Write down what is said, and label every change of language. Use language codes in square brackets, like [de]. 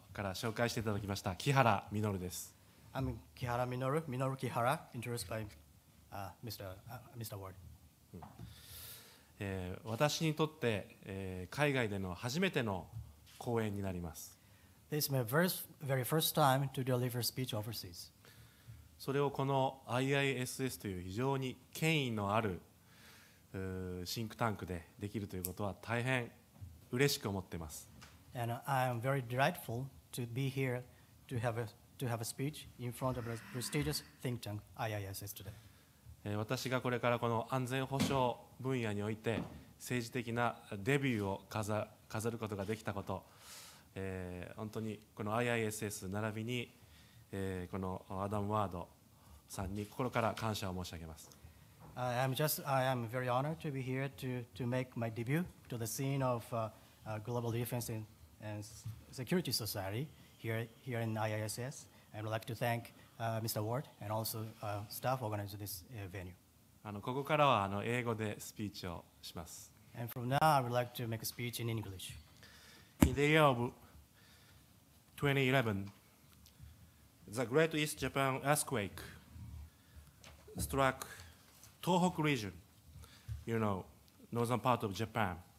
[ja] から紹介していただきました木原実です。 [en] I'm Kihara Minoru, Minoru Kihara, introduced by Mr. Ward. [ja] 私にとって海外での初めての講演になります。 [en] This is my very first time to deliver speech overseas. [ja] それをこの IISS という非常に権威のあるシンクタンクでできるということは大変嬉しく思っています。 [en] And I am very delightfulTo be here to have a speech in front of a prestigious think tank IISS today. [ja] 私がこれからこの安全保障分野において政治的なデビューを飾ることができたこと、本当にこの IISS 並びに、このアダム・ワードさんに心から感謝を申し上げます。 [en] I am very honored to be here to make my debut to the scene of global defense inAnd Security Society here in IISS. I would like to thank Mr. Ward and also staff organizing this venue. [ja] ここからは英語でスピーチをします。 [en] And from now, I would like to make a speech in English. In the year of 2011, the Great East Japan earthquake struck Tohoku region, you know, northern part of Japan.